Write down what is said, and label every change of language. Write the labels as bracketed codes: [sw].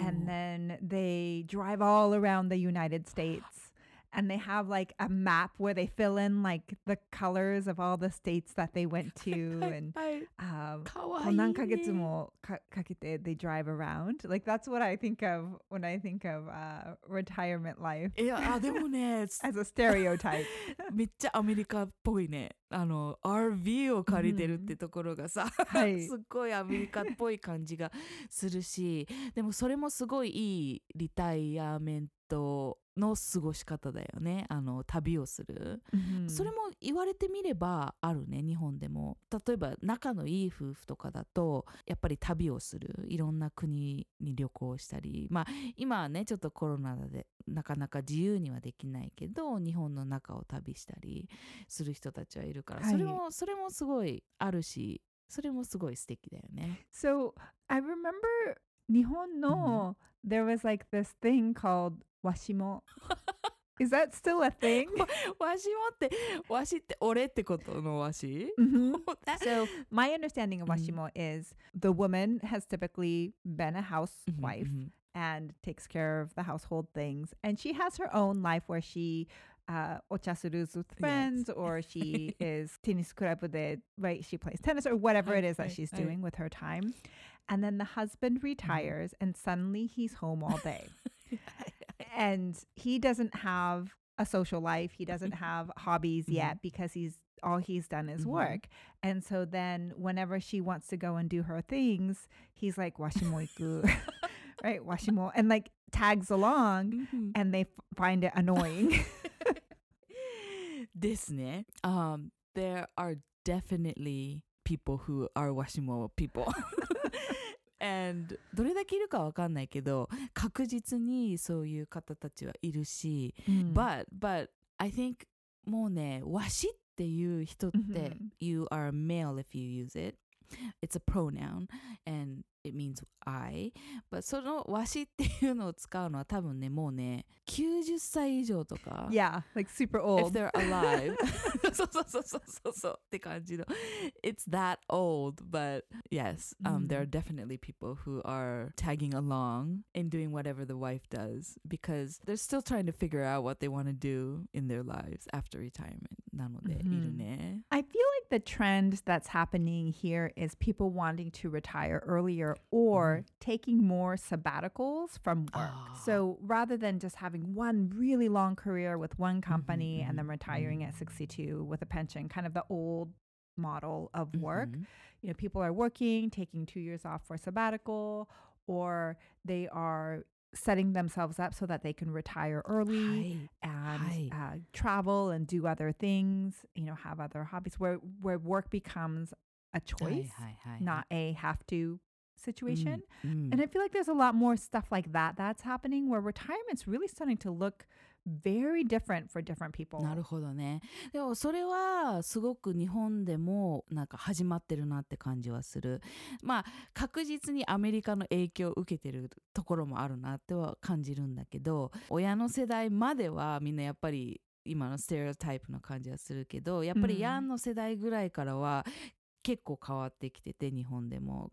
[en] and then they drive all around the United States and they have like a map where they fill in like the colors of all the states that they went to and they drive around like that's what I think of when I think of、retirement life [ja] でもね、 as a stereotype めっちゃアメリカっぽいねあの RV を借りてるってところがさ、うんはい、すっごいアメリカっぽい感じがするしでもそれもすごいいいリタイアメントの過ごし方だよねあの旅をする、うん、それも言われてみればあるね日本でも例えば仲のいい夫婦とかだとやっぱり旅をするいろんな国に旅行したりまあ今はねちょっとコロナでなかなか自由にはできないけど日本の中を旅したりする人たちはいるから、はい、それもすごいあるしそれもすごい素敵だよね [en] So I remember [ja] 日本の、うん、 [en] There was like this thing called わしもIs that still a thing? [ja] わしもって俺ってことのわし、 [en] mm-hmm. So my understanding of わしも、mm-hmm. is the woman has typically been a housewife、mm-hmm. and takes care of the household things. And she has her own life where she ochasurus with friends、yes. or she is tennis club with it, right? She plays tennis or whatever it is that she's doing with her time. And then the husband retires、mm. and suddenly he's home all day. and he doesn't have a social life. He doesn't have hobbies、mm-hmm. yet because all he's done is、mm-hmm. work. And so then whenever she wants to go and do her things, he's like, [ja] washimo iku. [en] Right, washimo, and like tags along, mm-hmm. and they find it annoying. Disney, there are definitely people who are washimo people. and [ja] どれだけいるかわかんないけど、確実にそういう方たちはいるし。 Mm-hmm. [en] But I think [ja] もうね、わしっていう人って、mm-hmm. [en] you are a male if you use it. It's a pronoun and it means I. But [ja] そのわしっていうのを使うのは多分ね、もうね、90歳以上とか。 [en] Yeah, like super old. If they're alive. [ja] そうそうそうそうそうそうって感じの。 [en] It's that old, but yes,、mm-hmm. there are definitely people who are tagging along and doing whatever the wife does because they're still trying to figure out what they want to do in their lives after retirement. [ja] なので、mm-hmm. いるね。 [en] I feel like the trend that's happening here is people wanting to retire earlier or、mm-hmm. taking more sabbaticals from work. So rather than just having one really long career with one company、mm-hmm. and then retiring、mm-hmm. at 62 with a pension, kind of the old model of work,、mm-hmm. you know, people are working, taking 2 years off for sabbatical, or they are setting themselves up so that they can retire early. Hi. Travel and do other things, you know, have other hobbies where work becomes a choice, not a have to situation. And I feel like there's a lot more stuff like that that's happening where retirement's really starting to look very different for different people. [ja] なるほどね。でもそれはすごく日本でもなんか始まってるなって感じはする。まあ確実にアメリカの影響を受けてるところもあるなっては感じるんだけど、親の世代まではみんなやっぱり今のステレオタイプの感じはするけど、やっぱりヤンの世代ぐらいからは、うん結構変わってきてて日本でも、